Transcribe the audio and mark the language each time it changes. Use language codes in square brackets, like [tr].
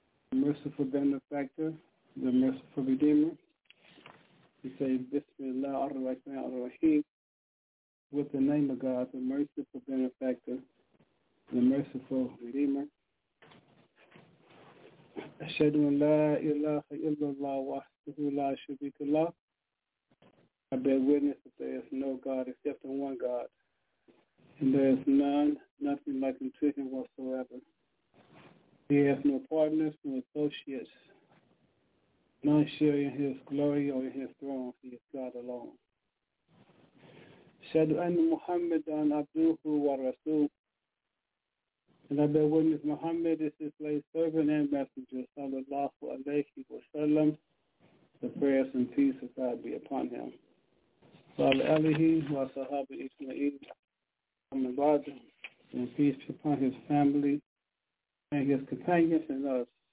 [en] the merciful benefactor, the merciful redeemer We say [ar] Bismillah ar-Rahman ar-Rahim [en] With the name of God, the merciful benefactor, the merciful redeemer. [ar] أشهد أن لا إله إلا الله وحده لا شريك له. [en] I bear witness that there is no God except the one God. And there is none, nothing like unto him whatsoever. He has no partners, no associates. None share in his glory or in his throne. He is God alone. [ar] أشهد أن محمدًا عبده ورسوله. [en] And I bear witness Muhammad is his late servant and messenger, [ar] sallallahu alayhi wa sallam. [en] The prayers and peace of God be upon him. Salam alayhi wa sahaba Ismail, Muhammad Raja, and peace be upon his family and his companions and us.